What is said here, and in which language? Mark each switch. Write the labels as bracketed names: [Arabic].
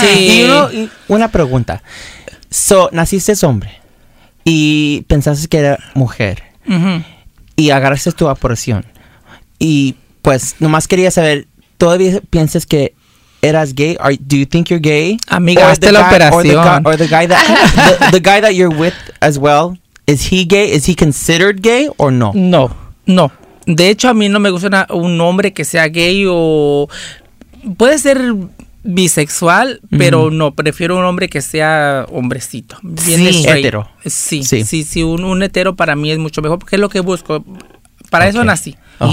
[Spanish] Sí. Una pregunta. So, naciste hombre y pensaste que era mujer. Ajá. Uh-huh. Y agarraste tu operación. Y pues, nomás quería saber, ¿todavía piensas que eras gay? [English] Do you think you're gay? [Spanish] Amiga, hazte la operación. [English] Or the guy that you're with as well, is he gay? Is he considered gay or no? [Spanish] No, no. De hecho, a mí no me gusta un hombre que sea gay o... Puede ser bisexual, pero no, prefiero un hombre que sea hombrecito. Bien hetero. Sí, un hetero para mí es mucho mejor, porque es lo que busco. Para eso nací. Okay.